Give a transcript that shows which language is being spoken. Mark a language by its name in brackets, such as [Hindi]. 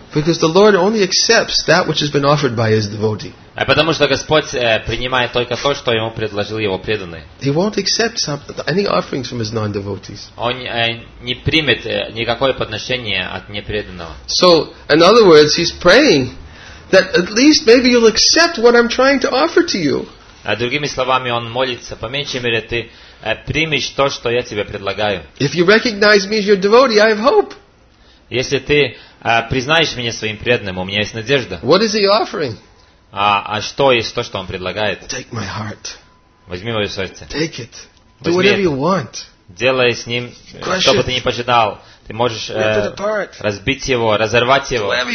[English] Because the Lord only accepts that which has been offered by His devotee. [Russian] Потому что Господь принимает только то, что ему предложил его преданный. [English] He won't accept any offerings from his non-devotees. [Russian] Он не примет никакое подношение от непреданного. [English] So, in other words, he's praying that at least maybe you'll accept what I'm trying to offer to you. [Russian] А другими словами, он молится, по меньшей мере, ты примешь то, что я тебе предлагаю. [English] If you recognize me as your devotee, I have hope. [Russian] Если ты признаешь меня своим преданным, у меня есть надежда. [English] What is he offering? [Russian] А что есть то, что он предлагает? [English] Take my heart. [Russian] Возьми мое сердце. [English] Take it. Do whatever you want. [Russian] Делай с ним, что бы ты ни пожидал. Ты можешь разбить его, разорвать его.